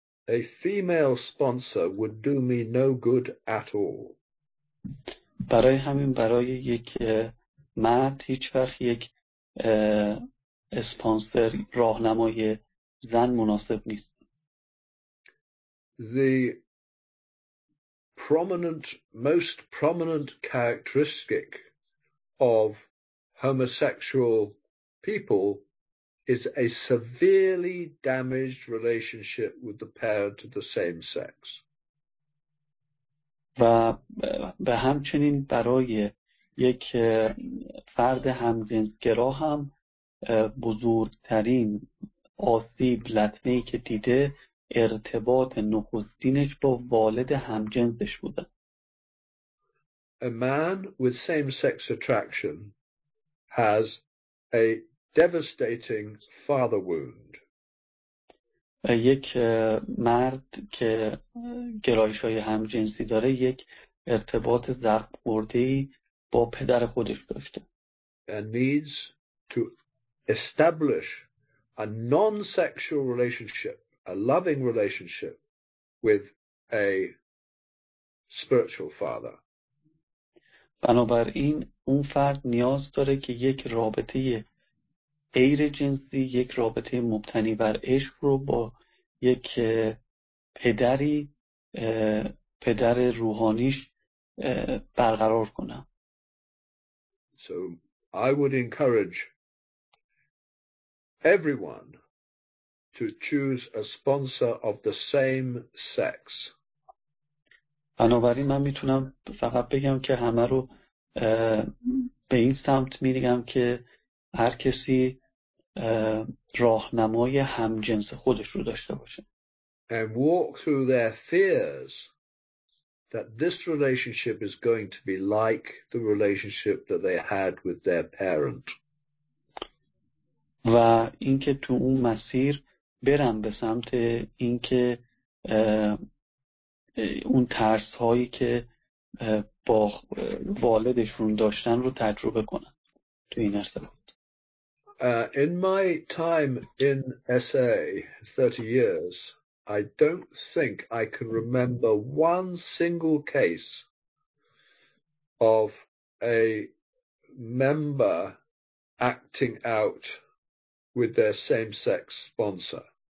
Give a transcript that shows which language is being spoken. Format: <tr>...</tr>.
<en>A female sponsor would do me no good at all.</en> <fa>برای همین برای یک مرد هیچ وقت یک اسپانسر راهنمای زن مناسب نیست.</fa> <en>The prominent, most prominent characteristic of homosexual people is a severely damaged relationship with the parent of the same sex.</en> <fa>و به همچنین برای یک فرد همجنسگرا هم بزرگترین آسیب لطمه‌ای که دیده ارتباط نخستینش با والد همجنسش بوده.</fa> <en>A man with same-sex attraction has a devastating father wound.</en> <fa>یک مرد که گرایش‌های همجنسی داره یک ارتباط زخم‌خورده‌ای با پدر خودش داشته.</fa> <en>And needs to establish a non-sexual relationship, a loving relationship with a spiritual father.</en> <fa>بنابراین اون فرد نیاز داره که یک رابطه غیر جنسی، یک رابطه مبتنی بر عشق رو با یک پدری، پدر روحانیش برقرار کنه.</fa> <en>So I would encourage everyone to choose a sponsor of the same sex.</en> <fa>بنابراین من میتونم فقط بگم که همه رو به این سمت میگم که هر کسی راهنمای همجنس خودش رو داشته باشه.</fa> <en>And walk through their fears that this relationship is going to be like the relationship that they had with their parent.</en> <fa>و اینکه تو اون مسیر برم به سمت اینکه اون ترس هایی که با والدشون داشتن رو تجربه کنن تو این ارتباط.</fa> <en>In my time in SA 30 years I don't think I can remember one single case of a member acting out with their same sex sponsor.</en>